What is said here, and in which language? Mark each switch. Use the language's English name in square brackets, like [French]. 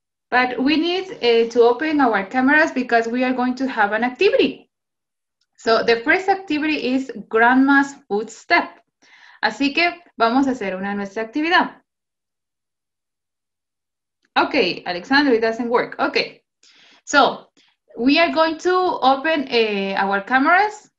[English] But we need to open our cameras because we are going to have an activity. So the first activity is Grandma's Footstep. [Spanish] Así que vamos a hacer una nuestra actividad. [English] Okay, Alexandra, it doesn't work. Okay, so we are going to open our cameras.